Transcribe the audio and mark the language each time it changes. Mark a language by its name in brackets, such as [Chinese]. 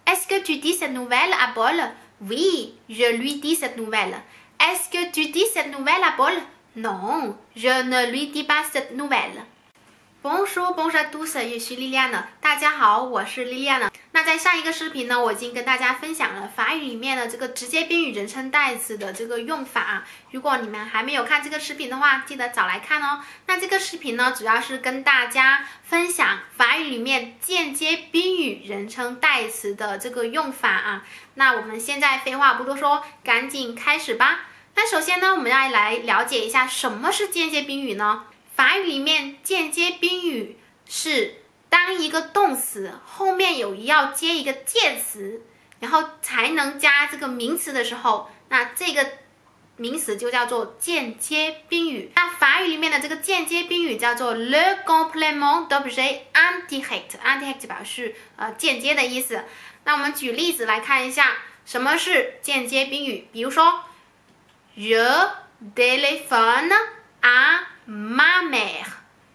[French] que tu dis cette nouvelle à Paul? Oui, je lui dis cette nouvelle. Est-ce que tu dis cette nouvelle à Paul? Non, je ne lui dis pas cette nouvelle. Bonjour, bonjour à tous, je suis Liliana。 [Chinese] 大家好，我是 Liliana。那在上一个视频呢，我已经跟大家分享了法语里面的这个直接宾语人称代词的这个用法。如果你们还没有看这个视频的话，记得早来看哦。那这个视频呢，主要是跟大家分享法语里面间接宾语人称代词的这个用法啊。那我们现在废话不多说，赶紧开始吧。那首先呢，我们要来了解一下什么是间接宾语呢？法语里面间接宾语是当一个动词后面有要接一个介词，然后才能加这个名词的时候，那这个名词就叫做间接宾语。那法语里面的这个间接宾语叫做 [French] le complément d'objet indirect， [Chinese] indirect 表示间接的意思。那我们举例子来看一下，什么是间接宾语？比如说， [French] je téléphone à ma mère。